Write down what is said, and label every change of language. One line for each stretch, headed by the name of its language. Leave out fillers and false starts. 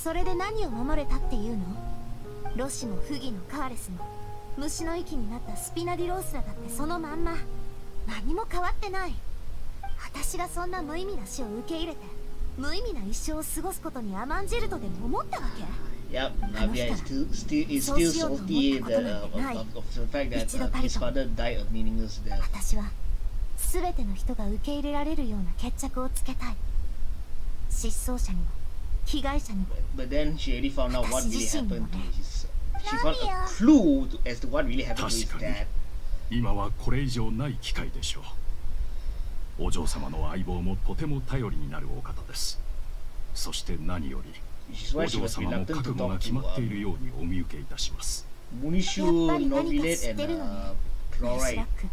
Japanese: それで何を守れたっていうの？ロシもフギのカーレスも虫の息になったスピナディロースだってそのまんま。何も変わってない。私がそんな無意味な死を受け入れて無意味な一生を過ごすことに甘んじるとでも思ったわけ。
English: Yep, Navia is still salty of the fact that his father died of meaningless death.
Japanese: 私は全ての人が受け入れられるような決着をつけたい。失踪者にも被害者にも。
English: But then she really found out what really happened to his. She found a clue to, as to what really happened to his dad.
Japanese: 今はこれ以上ない機会でしょう。お嬢様の相棒もとても頼りになるお方です。そして何より。お嬢様の覚悟が決まっているようにお見受けいたします。やっぱり何か知ってるのね、クロライ。